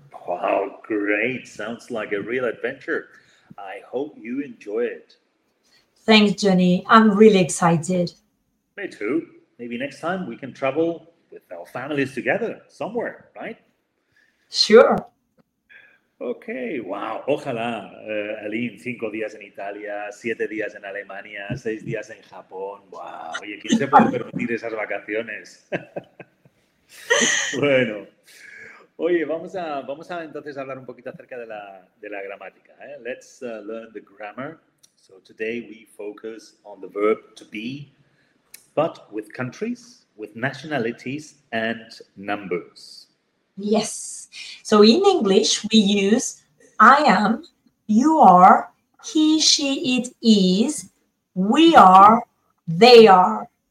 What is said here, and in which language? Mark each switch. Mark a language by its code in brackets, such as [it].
[en] Wow, great. Sounds like a real adventure. I hope you enjoy it. Thanks, Johnny. I'm really excited. Me too. Maybe next time we can travel with our families together somewhere, right? Sure. Okay. Wow. [es] Ojalá, Aline, 5 días en Italia, 7 días en Alemania, 6 días en Japón. Wow. Oye, ¿quién se puede permitir esas vacaciones? Bueno. Oye, vamos a entonces hablar un poquito acerca de la gramática, ¿eh? [en] Let's learn the grammar. So today we focus on the verb to be, but with countries, with nationalities, and numbers. Yes. So in English we use I am, you are, he, she, it is, we are, they are.